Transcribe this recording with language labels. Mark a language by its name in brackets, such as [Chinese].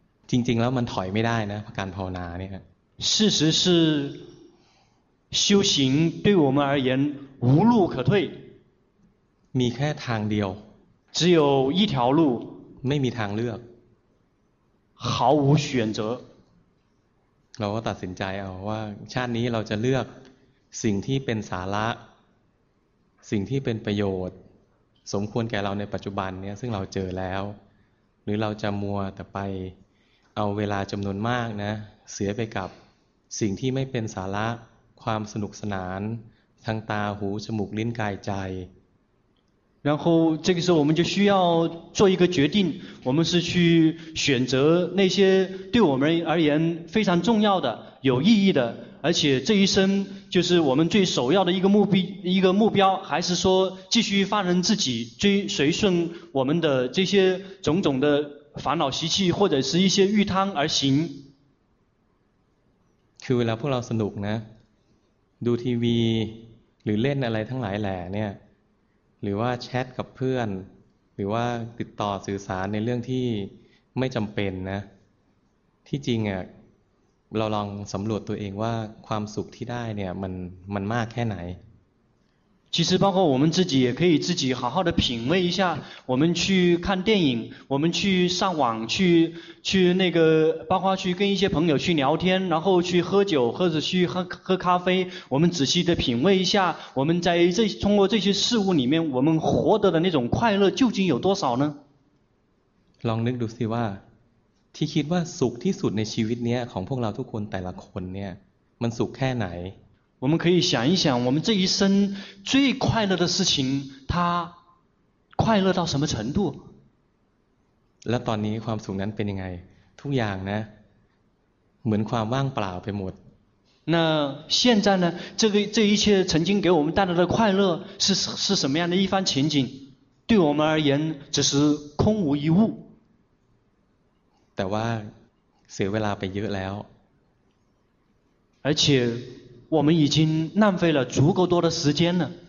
[Thai] จริงๆแล้วมันถอยไม่ได้นะการภาวนาเนี่ย。 [Chinese] 事实是，修行对我们而言无路可退。 [Thai] มีแค่ทางเดียว。 [Chinese] 只有一条路 [Thai] ไม่มีทางเลือก [Chinese] 毫无选择 [Thai] เราก็ตัดสินใจเอาว่าชาตินี้เราจะเลือกสิ่งที่เป็นสาระสิ่งที่เป็นประโยชน์ สมควรแก่เราในปัจจุบันเนี่ยซึ่งเราเจอแล้วหรือเราจะมัวแต่ไปเอาเวลาจำนวนมากนะเสียไปกับสิ่งที่ไม่เป็นสาระความสนุกสนานทางตาหูจมูกลิ้นกายใจ [Chinese] 然后这个时候我们就需要做一个决定，我们是去选择那些对我们而言非常重要的、有意义的，而且这一生就是我们最首要的一个目标，还是说继续放任自己，随顺我们的这些种种的烦恼习气或者是一些欲贪而行。 [Thai] คือเวลาพวกเราสนุกนะ，ดูทีวีหรือเล่นอะไรทั้งหลายแหละเนี่ยหรือว่าแชทกับเพื่อนหรือว่าติดต่อสื่อสารในเรื่องที่ไม่จำเป็นนะที่จริงอ่ะเราลองสำรวจตัวเองว่าความสุขที่ได้เนี่ยมันมากแค่ไหน [Chinese] 其实包括我们自己也可以自己好好的品味一下我们去看电影我们去上网去那个包括去跟一些朋友去聊天然后去喝酒或者去 喝咖啡我们仔细的品味一下我们在这通过这些事物里面我们获得的那种快乐究竟有多少呢 [Thai] ลองนึกดูสิว่าที่คิดว่าสุขที่สุดในชีวิตเนี้ยของพวกเราทุกคนแต่ละคนเนี่ยมันสุขแค่ไหน [Chinese] 我们可以想一想我们这一生最快乐的事情它快乐到什么程度 [Thai] แล้วตอนนี้ความสุขนั้นเป็นยังไงทุกอย่างนะเหมือนความว่างเปล่าไปหมด [Chinese] 那现在呢这一切曾经给我们带来的快乐是什么样的一番情景对我们而言只是空无一物 [Thai] แต่ว่าเสียเวลาไปเยอะแล้ว [Chinese] 而且我们已经浪费了足够多的时间了